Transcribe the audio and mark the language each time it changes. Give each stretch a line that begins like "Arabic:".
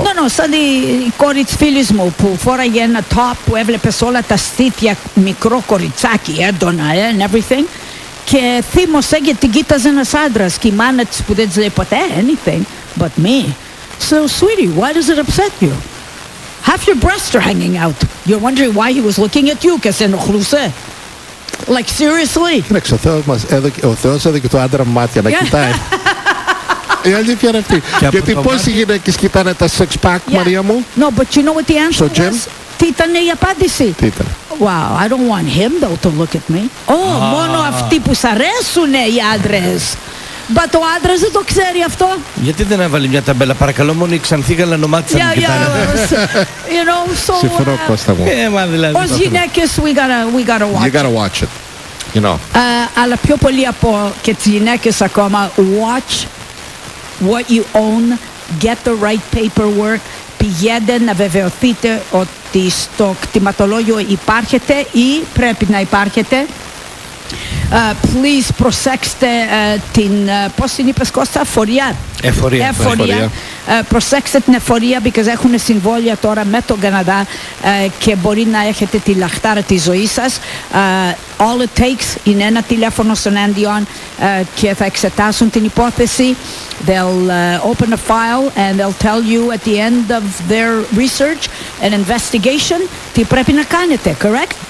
Greek: Ναι, no, σαν η κόρη της φίλης μου που φόραγε ένα top που έβλεπε όλα τα στήθια, μικρό κοριτσάκι, έντονα
English: and everything.
Greek: Και θύμωσε γιατί την κοίταζε ένας άντρας και η μάνα της που δεν της λέει ποτέ
English: anything but me. So sweetie, why does it upset you? Half your breasts are hanging out. You're wondering why he was looking at you, because
Greek: ενοχλούσε.
English: Like seriously.
Greek: Κοίταξε, ο Θεός μας έδωκε και το άντρα μάτια να κοιτάει. Η αλήθεια είναι αυτή. Γιατί πόσοι γυναίκες κοιτάνε τα sex pack, Μαρία μου.
English: No, but you know what the answer was?
Greek: Τι ήταν η απάντηση. Τι ήταν.
English: Wow, I don't want him though to look at me.
Greek: Oh, μόνο αυτοί που σ' αρέσουνε οι άντρες. Μα το άντρας δεν το ξέρει αυτό. Γιατί δεν έβαλε μια ταμπέλα, παρακαλώ, μόνο η ξανθή γαλανομάτισα να κοιτάνε. Συμφωνώ, Κώστα μου. Ως γυναίκες,
English: we gotta watch it. You know.
Greek: Αλλά πιο πολύ από και τις γυναίκες ακόμα,
English: watch what you own, get the right paperwork,
Greek: πηγαίνετε να βεβαιωθείτε ότι στο κτηματολόγιο υπάρχετε ή πρέπει να υπάρχετε. Please προσέξτε την, πώς την είπες Κώστα, εφορία. Εφορία. Προσέξτε την εφορία, because έχουν συμβόλια τώρα με τον Καναδά και μπορεί να έχετε τη λαχτάρα της ζωής σας.
English: All it takes
Greek: είναι ένα τηλέφωνο στον Αντιόν και θα εξετάσουν την υπόθεση.
English: They'll open a file and they'll tell you at the end of their research and investigation
Greek: τι πρέπει να κάνετε,
English: correct?